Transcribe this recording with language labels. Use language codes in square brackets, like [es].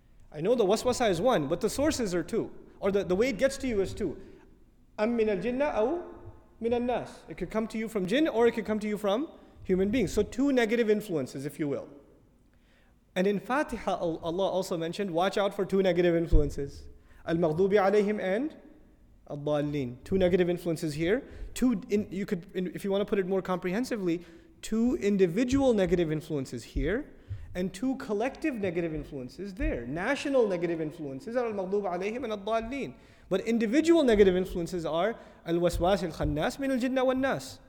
[en] I know the waswasa is one, but the sources are two. Or the way it gets to you is two. [ar] أَمْ مِنَ الْجِنَّ أَوْ مِنَ النَّاسِ. [en] It could come to you from jinn or it could come to you from human beings. So two negative influences, if you will. And in Fatiha, Allah also mentioned, watch out for two negative influences. [ar] الْمَغْضُوبِ عَلَيْهِمْ and الضالين. [en] Two negative influences here. If you want to put it more comprehensively, two individual negative influences here and two collective negative influences there. National negative influences are [ar] al-maghdub alayhim [en] and al-dallin. But individual negative influences are [ar] al-waswas al-khannas min al-jinna wal-nas.